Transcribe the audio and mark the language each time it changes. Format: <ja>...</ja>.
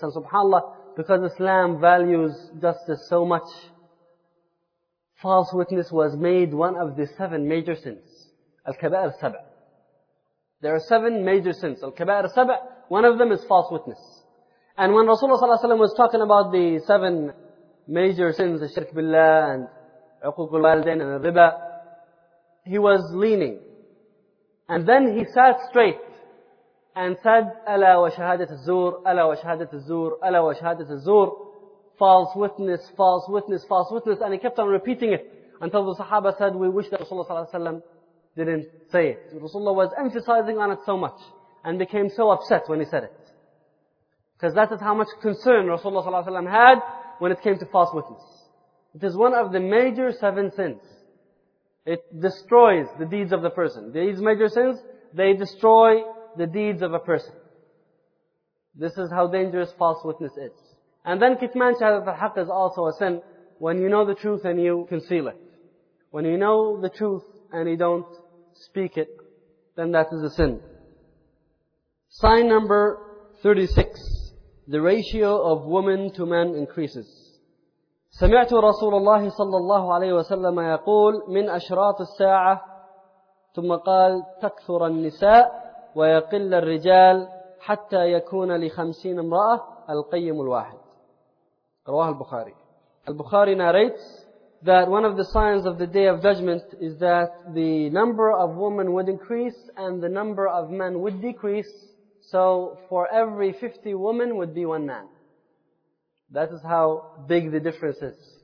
<en>And subhanAllah, because Islam values justice so much, false witness was made one of the seven major sins. Al-kaba'ir sab'a. There are seven major sins. Al-kaba'ir sab'a, one of them is false witness. And when Rasulullah صلى الله عليه وسلم was talking about the seven major sins, the shirk billah and عقوق الوالدين and riba, he was leaning. And then he sat straight and said,</en> <ar>أَلَا وَشَهَادَةِ الزُّورِ أَلَا وَشَهَادَةِ الزُّورِ أَلَا وَشَهَادَةِ الزُّورِ.</ar> <en>False witness, false witness, false witness. And he kept on repeating it until the Sahaba said, we wish that Rasulullah صلى الله عليه وسلم didn't say it. Rasulullah was emphasizing on it so much and became so upset when he said it. Because that is how much concern Rasulullah صلى الله عليه وسلم had when it came to false witness. It is one of the major seven sins. It destroys the deeds of the person. These major sins, they destroy the deeds of a person. This is how dangerous false witness is. And then kitman shahadat al-haq is also a sin when you know the truth and you conceal it. When you know the truth and you don't speak it, then that is a sin. Sign number 36. The ratio of women to men increases.</en> <ar>سمعت رسول الله صلى الله عليه وسلم يقول من أشراط الساعة ثم قال تكثر النساء ويقل الرجال حتى يكون لخمسين امرأة القيم الواحد. رواه البخاري.</ar> <en>البخاري narrates that one of the signs of the Day of Judgment is that the number of women would increase and the number of men would decrease. So for every 50 women would be one man. That is how big the difference is.</en>